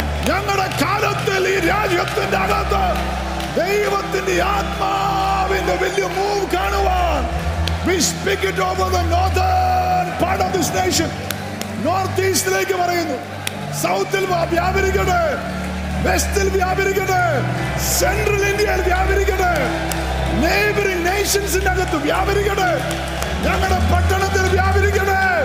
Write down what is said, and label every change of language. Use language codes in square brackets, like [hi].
[ml] Yangada kaalathil ee rajyathinte agathu ദൈവത്തിന്റെ ആത്മാവിന്റെ വലിയ മൂവ് കാണുവാൻ. [en] We speak it over the northern part of this nation. [ml] North ഈസ്റ്റിലേക്ക് പറയുന്നു, സൗത്തിൽ വ്യാപരിക്കട്ടെ, വെസ്റ്റിൽ വ്യാപരിക്കട്ടെ, central ഇന്ത്യയിൽ വ്യാപരിക്കട്ടെ, നെയ്ബറിംഗ് നേഷൻസിന്റെ അകത്ത് വ്യാപരിക്കട്ടെ, ഞങ്ങളുടെ പട്ടണത്തിൽ വ്യാപരിക്കട്ടെ.